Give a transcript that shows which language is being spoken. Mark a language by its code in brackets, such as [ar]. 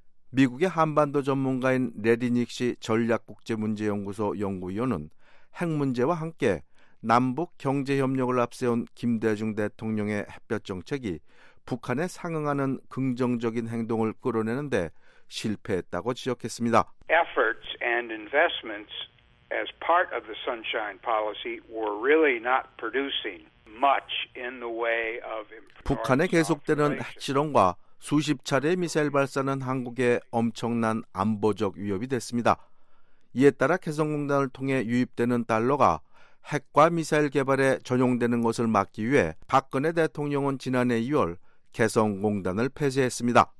[ko] 미국의 한반도 전문가인 레디닉 씨 전략국제문제연구소 연구위원은 핵 문제와 함께 남북 경제협력을 앞세운 김대중 대통령의 햇볕 정책이 북한에 상응하는 긍정적인 행동을 끌어내는데 실패했다고 지적했습니다. [en] Efforts and investments as part of the Sunshine Policy were really not producing much in the way of [ko] 북한의 계속되는 핵실험과 수십 차례 미사일 발사는 한국에 엄청난 안보적 위협이 됐습니다. 이에 따라 개성공단을 통해 유입되는 달러가 핵과 미사일 개발에 전용되는 것을 막기 위해 박근혜 대통령은 지난해 2월 개성공단을 폐쇄했습니다.